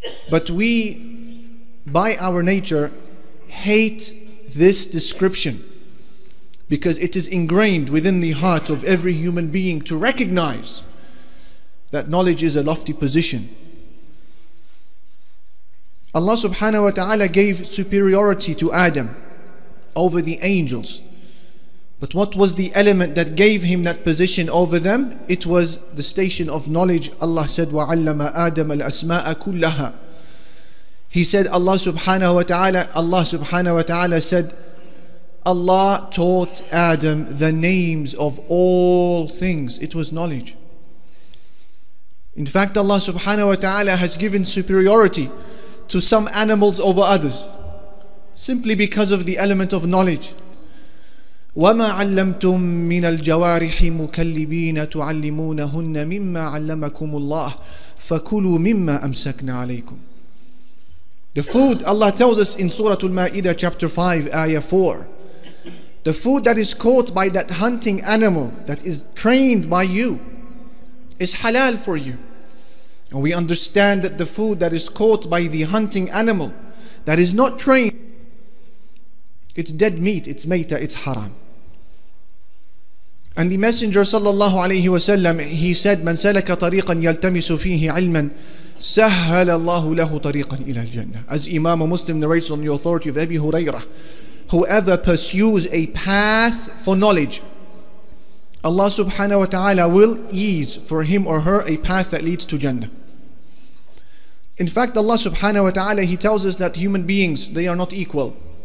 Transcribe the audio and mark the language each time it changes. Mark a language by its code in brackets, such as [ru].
[en] But we, by our nature, hate this description because it is ingrained within the heart of every human being to recognize that knowledge is a lofty position. Allah subhanahu wa ta'ala gave superiority to Adam over the angels. But what was the element that gave him that position over them? It was the station of knowledge. Allah said, [ar] وَعَلَّمَ آدَمَ الْأَسْمَاءَ كُلَّهَا. [en] He said, Allah subhanahu wa ta'ala said, Allah taught Adam the names of all things. It was knowledge. In fact, Allah subhanahu wa ta'ala has given superiority to some animals over others, simply because of the element of knowledge. [ar] وَمَا عَلَّمْتُمْ مِنَ الْجَوَارِحِ مُكَلِّبِينَ تُعَلِّمُونَهُنَّ مِمَّا عَلَّمَكُمُ اللَّهِ فَكُلُوا مِمَّا أَمْسَكْنَا عَلَيْكُمْ. [en] The food, Allah tells us in Surah Al-Ma'idah chapter 5, ayah 4, the food that is caught by that hunting animal that is trained by you is halal for you. And we understand that the food that is caught by the hunting animal that is not trained, it's dead meat, it's mayta, it's haram. And the Messenger sallallahu alayhi wa sallam, he said, [ar] من سلك طريقا يلتمس فيه علما سهل الله له طريقا إلى الجنة. [en] As Imam Muslim narrates on the authority of Abi Hurairah, whoever pursues a path for knowledge, Allah subhanahu wa ta'ala will ease for him or her a path that leads to Jannah. In fact, Allah subhanahu wa ta'ala, he tells us that human beings, they are not equal.